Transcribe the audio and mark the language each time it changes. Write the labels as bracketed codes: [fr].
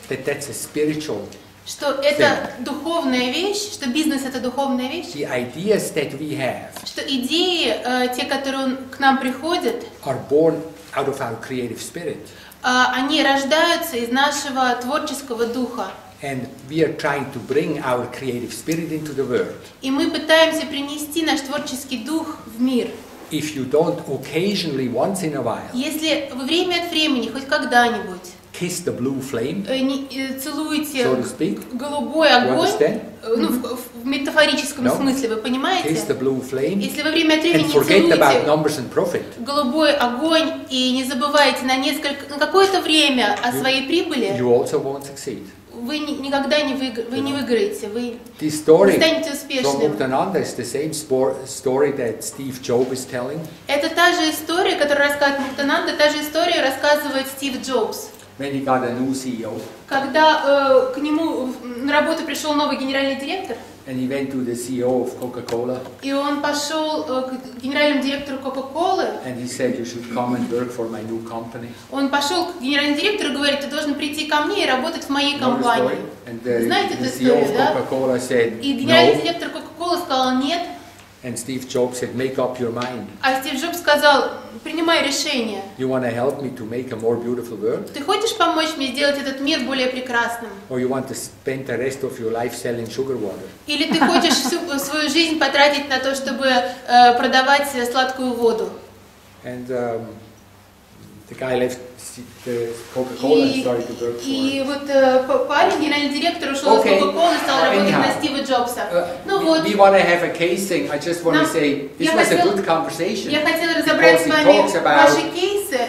[en] That that's a spiritual. [ru] Что это духовная вещь, что бизнес это духовная вещь. [en] The ideas that we have. [ru] Что идеи те, которые к нам приходят. [en] Are born out of our creative spirit. [ru] Они рождаются из нашего творческого духа. [en] And we are trying to bring our creative spirit into the world. [ru] И мы пытаемся принести наш творческий дух в мир. [en] If you don't occasionally once in a while. [ru] Если время от времени, хоть когда-нибудь. [en] kiss the blue flame. [ru] Целуете голубой огонь. Ну, в метафорическом смысле, вы понимаете? [en] Kiss the blue flame. [ru] Если во время отрения не целуете голубой огонь и не забывайте на несколько, на какое-то время о своей прибыли. [en] You also won't succeed. [ru] Вы никогда не выиграете. Вы не станете успешным. [en] From Uktananda is the same story that Steve Jobs is telling. [ru] Это та же история, которую рассказывает Муктананда, та же история рассказывает Стив Джобс. [en] When he got a new CEO. [ru] Когда к нему на работу пришел новый генеральный директор. [en] And he went to the CEO of Coca-Cola. [ru] И он пошел к генеральному директору Coca-Cola. [en] And he said, "You should come and work for my new company." [ru] Он пошел к генеральному директору и говорит, ты должен прийти ко мне и работать в моей компании. [en] And the CEO of Coca-Cola said, "No." [ru] И генеральный директор Coca-Cola сказал нет. [en] And Steve Jobs said, "Make up your mind." [ru] А Стив Джобс сказал, принимай решение. [en] You want to help me to make a more beautiful world? [ru] Ты хочешь помочь мне сделать этот мир более прекрасным? [en] Or you want to spend the rest of your life selling sugar water? [ru] Или ты хочешь всю свою жизнь потратить на то, чтобы продавать сладкую воду? [en] And the guy left the Coca-Cola and started to work for him. [ru] И вот парень, генеральный директор, ушел из Coca-Cola и стал работать на Стива Джобса. Ну вот. [en] We want to have a casing. I just want to say, this was a good conversation. [ru] Я хотела разобрать с вами ваши кейсы.